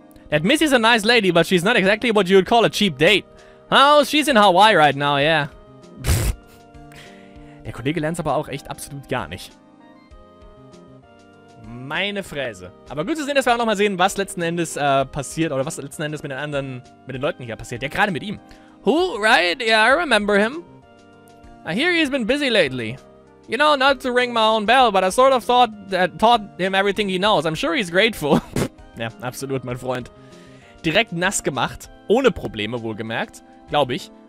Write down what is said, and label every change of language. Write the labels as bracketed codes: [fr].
[en] That Missy's a nice lady, but she's not exactly what you'd call a cheap date. Oh, she's in Hawaii right now, yeah. [de] Der Kollege lernt's aber auch echt absolut gar nicht. Meine Fräse. Aber gut zu sehen, dass wir auch nochmal sehen, was letzten Endes passiert, oder was letzten Endes mit den anderen, mit den Leuten hier passiert. Ja, gerade mit ihm. [en] Who, right? Yeah, I remember him. I hear he's been busy lately. You know, not to ring my own bell, but I sort of taught him everything he knows. I'm sure he's grateful. [de] Ja, absolut, mein Freund. Direkt nass gemacht, ohne Probleme wohlgemerkt, glaube ich.